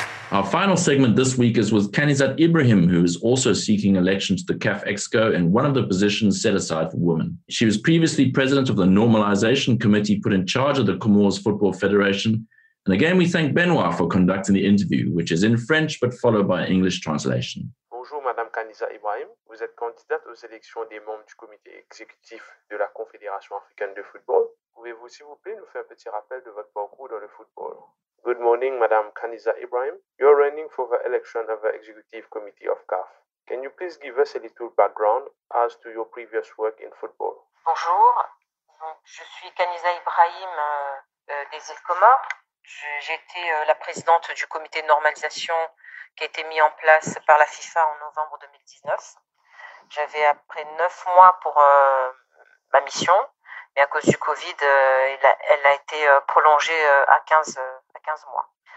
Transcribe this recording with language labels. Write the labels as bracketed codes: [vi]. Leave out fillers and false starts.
[en] Our final segment this week is with Kanizat Ibrahim, who is also seeking election to the CAF Exco in one of the positions set aside for women. She was previously president of the Normalization Committee put in charge of the Comores Football Federation. And again, we thank Benoit for conducting the interview, which is in French but followed by English translation. [fr] Madame Kanizat Ibrahim, vous êtes candidate aux élections des membres du comité exécutif de la Confédération africaine de football. Pouvez-vous, s'il vous plaît, nous faire un petit rappel de votre parcours dans le football? [en] Good morning, Madame Kanizat Ibrahim. You're running for the election of the executive committee of CAF. Can you please give us a little background as to your previous work in football? [fr] Bonjour. Donc, je suis Kanizat Ibrahim, des îles Comores. J'étais la présidente du comité de normalisation qui a été mis en place par la FIFA en novembre 2019. J'avais après 9 mois pour ma mission, mais à cause du Covid, elle a été prolongée à 15 mois.